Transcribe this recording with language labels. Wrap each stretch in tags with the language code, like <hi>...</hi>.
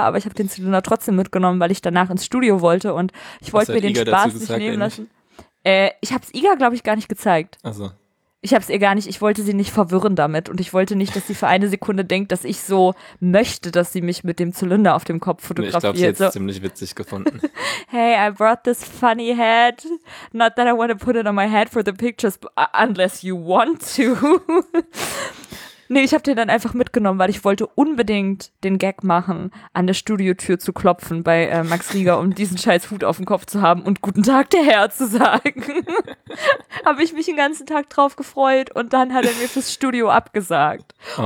<de>Aber ich habe den Zylinder trotzdem mitgenommen, weil ich danach ins Studio wollte und ich wollte mir den Spaß nicht nehmen lassen. Ich habe es IGA, glaube ich, gar nicht gezeigt. Also. Ich habe es ihr gar nicht, ich wollte sie nicht verwirren damit und ich wollte nicht, dass sie für eine Sekunde denkt, dass ich so möchte, dass sie mich mit dem Zylinder auf dem Kopf fotografiert. Ich glaube, sie hat es ziemlich witzig gefunden.</de> <en>Hey, I brought this funny hat. Not that I want to put it on my head for the pictures, unless you want to.</en> <de>Nee, ich habe den dann einfach mitgenommen, weil ich wollte unbedingt den Gag machen, an der Studiotür zu klopfen bei Max Rieger, um diesen scheiß Hut auf dem Kopf zu haben und guten Tag der Herr zu sagen. Habe ich mich den ganzen Tag drauf gefreut und dann hat er mir fürs Studio abgesagt. Oh.</de>